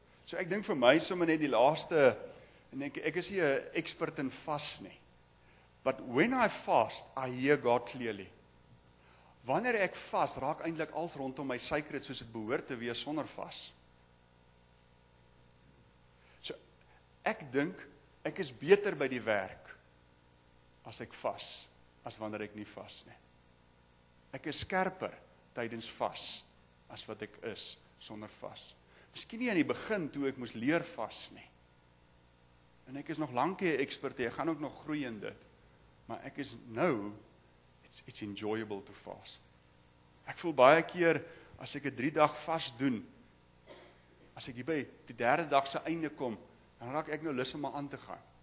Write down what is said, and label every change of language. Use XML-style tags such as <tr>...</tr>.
<af>So ek dink vir my sommer net die laaste, en ek is nie 'n expert in vas nie.</af> <en>But when I fast, I hear God clearly.</en> <af>Wanneer ek vas, raak eintlik als rondom my sacred soos het behoort te wees sonder vas. So ek dink ek is beter by die werk as ek vas, as wanneer ek nie vas nie. Ek is skerper tydens vas as wat ek is sonder vas. Miskien nie aan die begin toe ek moes leer vas nie. En ek is nog lankie 'n expert, ek gaan ook nog groei in dit. Maar ek is nou,</af> <en>it's enjoyable to fast.</en> <af>Ek voel baie keer, as ek 'n 3-dag vas doen, as ek hierby die 3de dag se einde kom, dan raak ek nou lus om aan te gaan.</af>